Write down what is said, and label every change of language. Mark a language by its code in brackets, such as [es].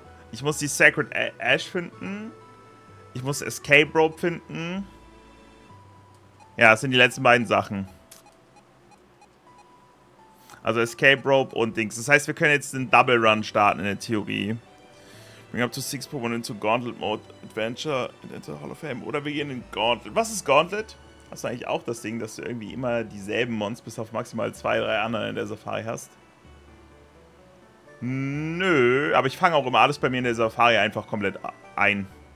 [de] Ich muss die Sacred Ash finden. Ich muss Escape Rope finden. Ja, das sind die letzten beiden Sachen. Also Escape Rope und Dings. Das heißt, wir können jetzt den Double Run starten in der Theorie. [en] Bring up to 6 Pokémon into Gauntlet Mode. Adventure and enter Hall of Fame. [de] Oder wir gehen in Gauntlet. Was ist Gauntlet? Das ist eigentlich auch das Ding, dass du irgendwie immer dieselben Mons bis auf maximal 2, 3 andere in der Safari hast. Nö, aber ich fange auch immer alles bei mir in der Safari einfach komplett ein.